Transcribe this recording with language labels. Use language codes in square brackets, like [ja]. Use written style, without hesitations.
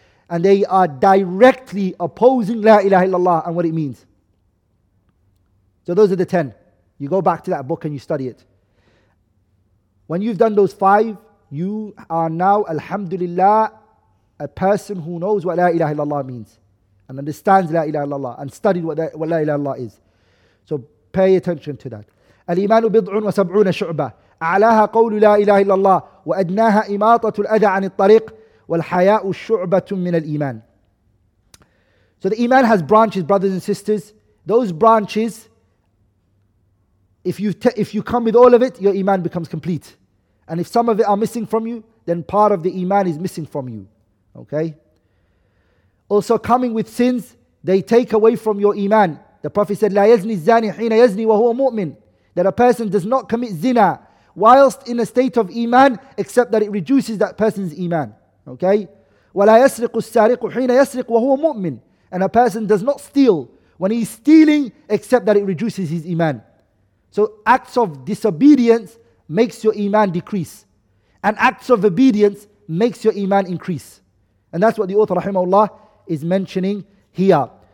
[en] And they are directly opposing la ilaha illallah and what it means. So those are the 10. You go back to that book and you study it. When you've done those 5, you are now, alhamdulillah, a person who knows what la ilaha illallah means. and understands La ilaha illallah and studied what La ilaha illallah is. So pay attention to that. [ar] الإيمان بضع وسبعون شعبة أعلاها قول لا إله إلا الله وأدناها إماطة الأذى عن الطريق والحياء شعبة من الإيمان. [en] So the iman has branches, brothers and sisters. Those branches, if you come with all of it, your iman becomes complete. And if some of it are missing from you, then part of the iman is missing from you. Okay? Also, coming with sins, they take away from your iman. The Prophet said, لا يزني الزاني حين يزني وهو مؤمن. That a person does not commit zina whilst in a state of iman, except that it reduces that person's iman. Okay? [ar] ولا يسرق السارق حين يسرق وهو مؤمن. [en] And a person does not steal when he's stealing, except that it reduces his iman. So acts of disobedience makes your iman decrease. And acts of obedience makes your iman increase. And that's what the author, rahimahullah, is mentioning here.